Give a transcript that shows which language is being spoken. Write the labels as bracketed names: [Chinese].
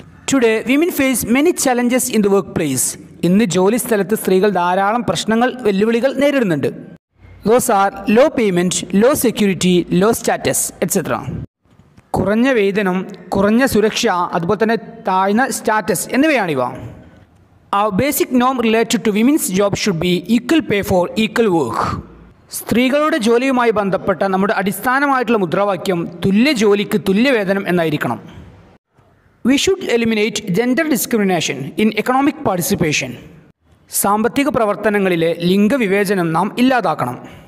[English] today women face many challenges in the work place, [Malayalam] ഇന്ന് ജോലി സ്ഥലത്ത് സ്ത്രീകൾ ധാരാളം പ്രശ്നങ്ങൾ വെല്ലുവിളികൾ നേരിടുന്നുണ്ട്. [English] Those are low payment, low security, low status etcetera. [Malayalam] കുറഞ്ഞ വേതനം, കുറഞ്ഞ സുരക്ഷ, അതുപോലെ തന്നെ താഴ്ന്ന status എന്നിവയാണിവ. [English] Our basic norm related to women's job should be equal pay for equal work. [Malayalam] സ്ത്രീകളുടെ ജോലിയുമായി ബന്ധപ്പെട്ട നമ്മുടെ അടിസ്ഥാനമായിട്ടുള്ള മുദ്രാവാക്യം തുല്യ ജോലിക്ക് തുല്യ വേതനം എന്നായിരിക്കണം. [English] we should eliminate gender discrimination in economic participation, [Malayalam] സാമ്പത്തിക പ്രവർത്തനങ്ങളിലെ ലിംഗവിവേചനം നാം ഇല്ലാതാക്കണം.